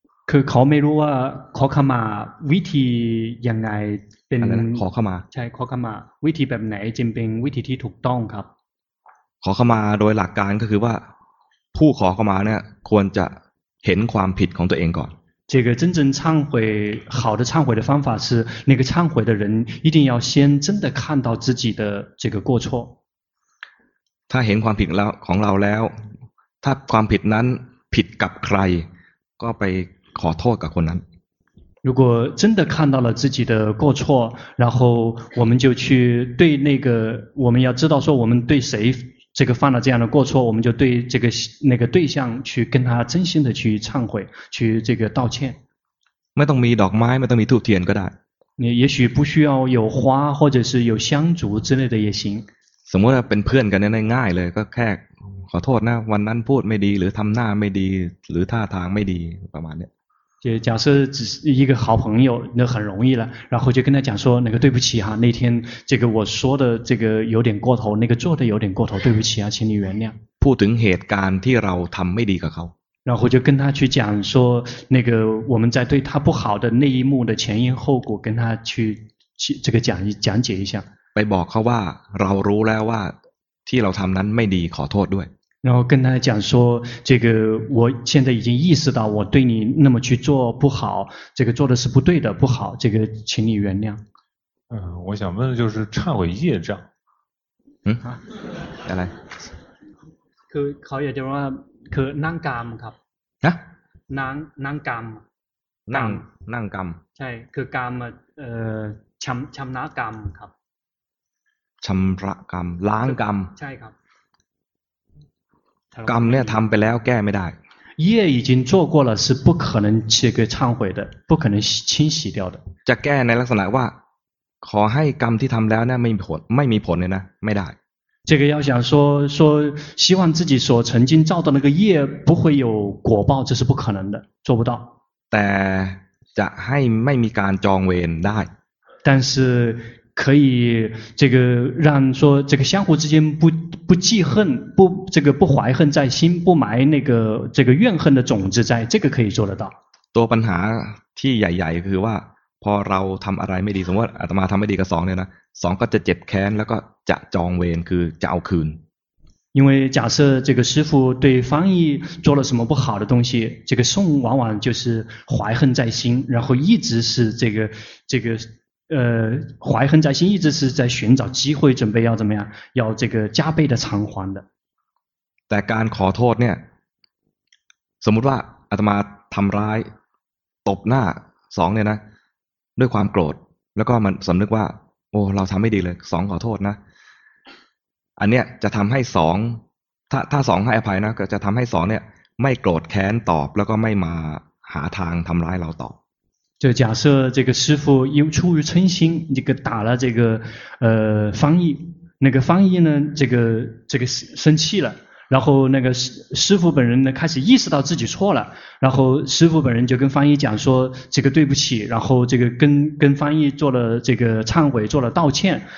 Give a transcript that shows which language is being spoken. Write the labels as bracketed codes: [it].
[th] คือเขาไม่รู้ว่าขอขมาวิธียังไงเป็น ขอขมา ใช่ขอขมาวิธีแบบไหนจึงเป็นวิธีที่ถูกต้องครับ ขอขมาโดยหลักการก็คือว่าผู้ขอขมาเนี่ยควรจะเห็นความผิดของตัวเองก่อน [zh] 这个真正忏悔好的忏悔的方法是那个忏悔的人一定要先真的看到自己的这个过错 [th] ถ้าเห็นความผิดแล้วของเราแล้วถ้าความผิดนั้นผิดกับใครก็ไปขอโทษกับคนนั้น [zh] 如果真的看到了自己的过错然后我们就去对那个我们要知道说我们对谁这个犯了这样的过错我们就对这个那个对象去跟他真心的去忏悔去这个道歉 [th] ไม่ต้องมีดอกไม้ไม่ต้องมีธูปเทียนก็ได้ [zh] 你也许不需要有花或者是有香烛之类的也行 [th] สมมติว่าเป็นเพื่อนกันง่ายๆเลยก็แค่ขอโทษนะวันนั้นพูดไม่ดีหรือทำหน้าไม่ดีหรือท่าทางไม่ดีประมาณนี้ [zh] 就假设只是一个好朋友那很容易了然后就跟他讲说那个对不起哈那天这个我说的这个有点过头那个做的有点过头对不起啊请你原谅 [th] พูดถึงเหตุการณ์ที่เราทําไม่ดีกับเขา [zh] 然后就跟他去讲说那个我们在对他不好的那一幕的前因后果跟他去这个讲解一下 [th] ไปบอกเขาว่าเรารู้แล้วว่าที่เราทํานั้นไม่ดีขอโทษด้วย [zh] 然后跟他讲说，这个我现在已经意识到我对你那么去做不好，这个做的是不对的，不好，这个请你原谅。嗯，我想问的就是忏悔业障。嗯，啊，来。 [th] คือเขาอยากจะว่าคือนั่งกรรมครับ นะ นั่งนั่งกรรม นั่งนั่งกรรม ใช่คือกรรมชำชำระกรรมครับ ชำระกรรมล้างกรรม ใช่ครับ กรรมเนี่ยทำไปแล้วแก้ไม่ได้ [zh] เย่已经做过了是不可能这个忏悔的不可能清洗掉的 [th] จะแก้ในลักษณะว่าขอให้กรรมที่ทำแล้วเนี่ยไม่มีผลไม่มีผลเลยนะไม่ได้ [zh] 这个要想说说希望自己所曾经造的那个业不会有果报，这是不可能的，做不到。 [th] แต่จะให้ไม่มีการจองเวรได้ [zh] 但是可以这个让说这个相互之间不不记恨不这个不怀恨在心不埋那个这个怨恨的种子在这个可以做得到。 [th] ตัวปัญหาที่ใหญ่ๆคือว่าพอเราทำอะไรไม่ดีสมมติอาตมาทำไม่ดีกับสองเนี่ยนะสองก็จะเจ็บแค้นแล้วก็จะจองเวรคือจะเอาคืน [zh] 因为假设这个师父对方一做了什么不好的东西这个送往往就是怀恨在心然后一直是这个怀恨在心一直是在寻找机会准备要怎么样要这个加倍的偿还的 [th] แต่การขอโทษเนี่ยสมมติว่าอาตมาทำร้ายตบหน้าสองเนี่ยนะด้วยความโกรธแล้วก็มันสำนึกว่าโอ้เราทำไม่ดีเลยสองขอโทษนะอันเนี้ยจะทำให้สองถ้าสองให้อภัยนะก็จะทำให้สองเนี่ยไม่โกรธแค้นตอบแล้วก็ไม่มาหาทางทำร้ายเราต่อ [zh] 就假设这个师父又出于嗔心，这个打了这个方毅，那个方毅呢，这个生气了，然后那个师父本人呢开始意识到自己错了，然后师父本人就跟方毅讲说这个对不起，然后这个跟方毅做了这个忏悔，做了道歉。